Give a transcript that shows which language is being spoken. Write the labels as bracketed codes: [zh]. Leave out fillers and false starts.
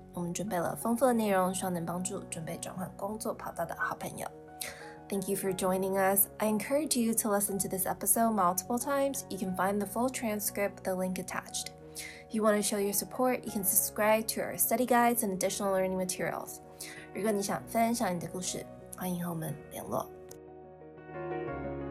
[zh] 我们准备了丰富的内容，希望能帮助准备转换工作跑道的好朋友。 [en] Thank you for joining us. I encourage you to listen to this episode multiple times. You can find the full transcript, the link attached. If you want to show your support, you can subscribe to our study guides and additional learning materials. [zh] 如果你想分享你的故事，欢迎和我们联络。